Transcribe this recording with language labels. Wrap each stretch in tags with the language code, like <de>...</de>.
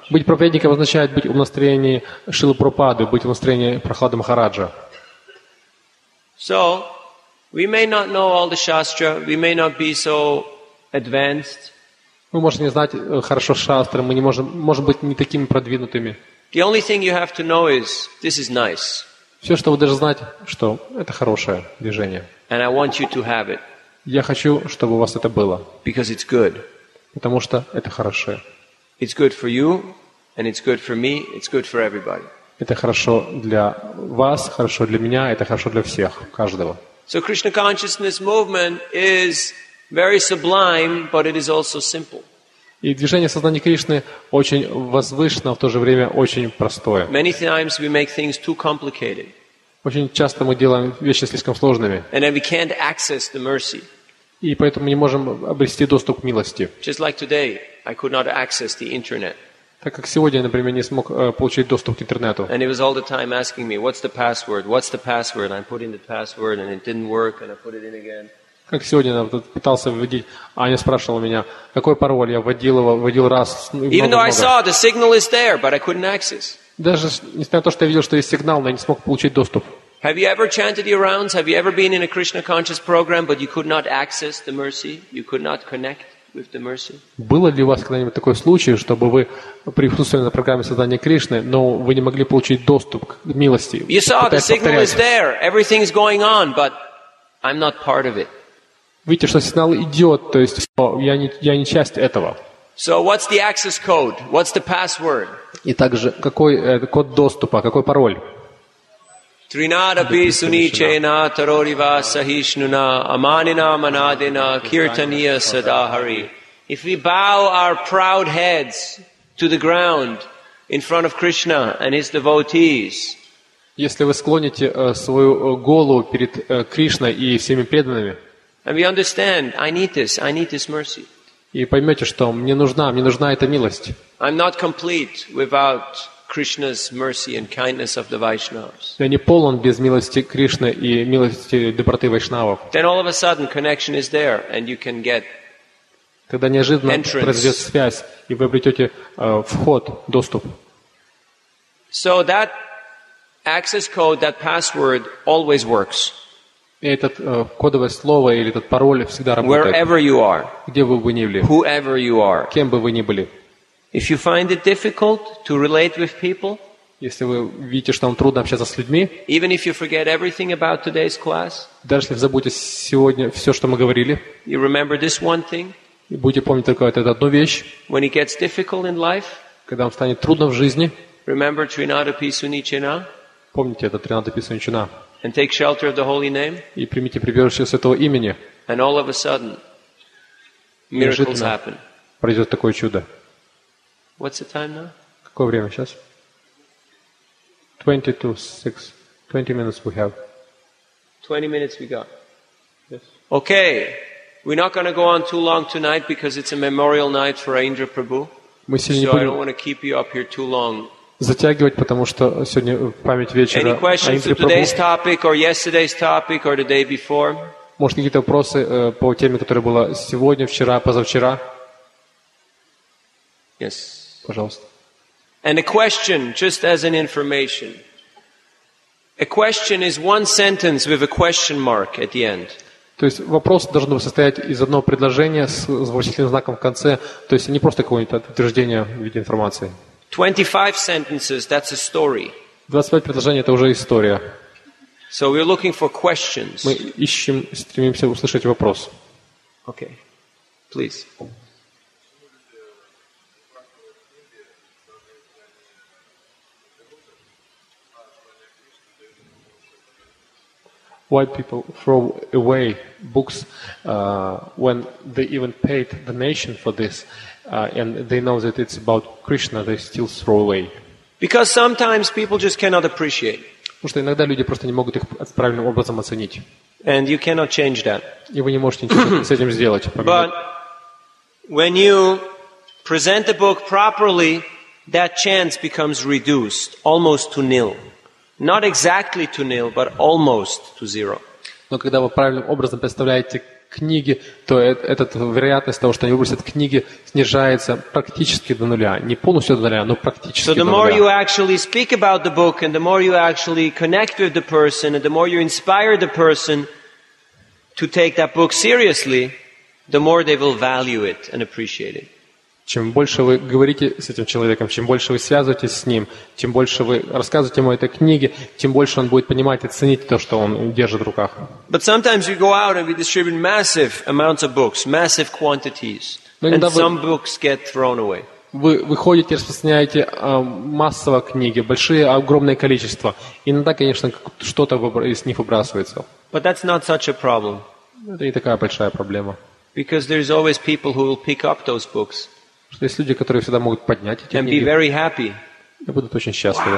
<ru>Быть проповедником означает быть в умонастроении Шрилы Прабхупады, быть в умонастроении Прахлады Махараджа.</ru> <en>So, we may not know all the shastra, we may not be so advanced.</en> <ru>Мы можем не знать хорошо шастры, мы не можем, может быть, не такими продвинутыми.</ru> <en>The only thing you have to know is this is nice.</en> <ru>Все, что вы должны знать, что это хорошее движение.</ru> <en>And I want you to have it.</en> <ru>Я хочу, чтобы у вас это было.</ru> <en>Because it's good.</en> <ru>Потому что это хорошо.</ru> <en>It's good for you, and it's good for me, it's good for everybody.</en> <ru>Это хорошо для вас, хорошо для меня, это хорошо для всех, каждого.</ru> <en>So Krishna consciousness movement is very sublime, but it is also simple.</en> <ru>И движение сознания Кришны очень возвышенно, в то же время очень простое.</ru> <en>Many times we make things too complicated.</en> <ru>Очень часто мы делаем вещи слишком сложными.</ru> <en>And we can't access the mercy.</en> <ru>И поэтому не можем обрести доступ к милости.</ru> <en>Just like today, I could not access the internet.</en> <ru>Так как сегодня, например, не смог получить доступ к интернету.</ru> <en>And he was all the time asking me, what's the password? What's the password? I put in the password and it didn't work and I put it in again.</en> <ru>Как сегодня я пытался вводить, Аня спрашивала меня, какой пароль, я вводил его, вводил раз, много-много. Даже несмотря на то, что я видел, что есть сигнал, но я не смог получить доступ.</ru> <en>Have you ever chanted your rounds? Have you ever been in a Krishna conscious program, but you could not access the mercy? You could not connect with the mercy?</en> <ru>Было ли у вас когда-нибудь такой случай, чтобы вы присутствовали на программе создания Кришны, но вы не могли получить доступ к милости?</ru> <en>You saw the signal is there, everything is going on, but I'm not part of it.</en> <ru>Видите, что сигнал идет, то есть я не часть этого.</ru> <en>So what's the access code? What's the password?</en> <ru>И также какой код доступа, какой пароль?</ru> <sa>Trinada bisuniche na taroriva sahishnuna amanina manadina kirtaniya sadahari.</sa> <en>If we bow our proud heads to the ground in front of Krishna and his devotees.</en> <ru>Если вы склоните свою голову перед Кришной и всеми преданными.</ru> <en>And we understand. I need this mercy.</en> <ru>И поймете, что мне нужна эта милость.</ru> <en>I'm not complete without Krishna's mercy and kindness of the Vaishnavas.</en> <ru>Я не полон без милости Кришны и милости доброты Вайшнавов.</ru> <en>Then all of a sudden connection is there, and you can get.</en> <ru>Когда неожиданно произойдет связь, и вы обретете вход, доступ.</ru> <en>So that access code, that password, always works.</en> <ru>И этот кодовое слово или этот пароль всегда работает.</ru> <en>Are,</en> <ru>где бы вы ни были.</ru> <en>Are,</en> <ru>кем бы вы ни были.</ru> <en>If you find it difficult to relate with people,</en> <ru>если вы видите, что вам трудно общаться с людьми,</ru> <en>even if you forget everything about today's class,</en> <ru>даже если вы забудете сегодня все, что мы говорили,</ru> <en>you remember this one thing,</en> <ru>и будете помнить только вот эту одну вещь,</ru> <en>when it gets difficult in life,</en> <ru>когда вам станет трудно в жизни,</ru> <en>remember Trinada Pisunichina,</en> <ru>помните это Trinada Pisunichina,</ru> <en>and take shelter of the holy name,</en> <ru>и примите прибежище святого имени,</ru> <en>and all of a sudden miracles happen,</en> <ru>произойдет такое чудо.</ru> <en>What's the time now?</en> <ru>Какое время сейчас? 22:06.</ru> <en>20 minutes we have. 20 minutes we got. Yes. Okay. We're not going to go on too long tonight because it's a memorial night for Indra Prabhu.</en> <ru>Мы сегодня</ru> <en>so</en> <ru>будем.</ru> <en>So I don't want to keep you up here too long.</en> <ru>Затягивать, потому что сегодня память вечера Indra</ru> <en>Prabhu. Any questions for today's topic or yesterday's topic or the day before?</en> <ru>Может, какие-то вопросы по теме, которая была сегодня, вчера, позавчера?</ru> <en>Yes.</en> <ru>Пожалуйста.</ru> <en>And a question, just as an information. A question is one sentence with a question mark at the end.</en> <ru>То есть вопрос должен состоять из одного предложения с вопросительным знаком в конце, то есть не просто какое-нибудь утверждение в виде информации.</ru> <en>25 sentences, that's a story.</en> <ru>25 предложений это уже история.</ru> <en>So we're looking for questions.</en> <ru>Мы ищем, стремимся услышать вопрос.</ru> <en>Okay. Please.</en> <ru>В</ru> <en>white people throw away books when they even paid the nation for this and they know that it's about Krishna, they still throw away. Because sometimes people just cannot appreciate.</en> <ru>Потому что иногда люди просто не могут их правильным образом оценить. And you cannot change that. И вы не можете ничего с этим сделать.</ru> <en>But when you present the book properly, that chance becomes reduced almost to nil. Not exactly to nil, but almost to zero.</en> <ru>Но когда вы правильным образом представляете книги, то эта вероятность того, что они выбросят книги, снижается практически до нуля. Не полностью до нуля, но практически до нуля.</ru> <en>So the more you actually speak about the book, and the more you actually connect with the person, and the more you inspire the person to take that book seriously, the more they will value it and appreciate it.</en> <ru>Чем больше вы говорите с этим человеком, чем больше вы связываетесь с ним, тем больше вы рассказываете ему о этой книге, тем больше он будет понимать и ценить то, что он держит в руках.</ru> <en>But sometimes we go out and we distribute massive amounts of books, massive quantities, and some books get thrown away.</en> <ru>Вы выходите, распространяете массово книги, большие, огромное количество. Иногда, конечно, что-то из них выбрасывается.</ru> <en>But that's not such a problem.</en> <ru>Это не такая большая проблема.</ru> <en>Because there's always people who will pick up those books.</en> <ru>Что есть люди, которые всегда могут поднять эти</ru> <en>and</en> <ru>книги.</ru> <en>Be very happy.</en> <ru>И будут очень счастливы.</ru>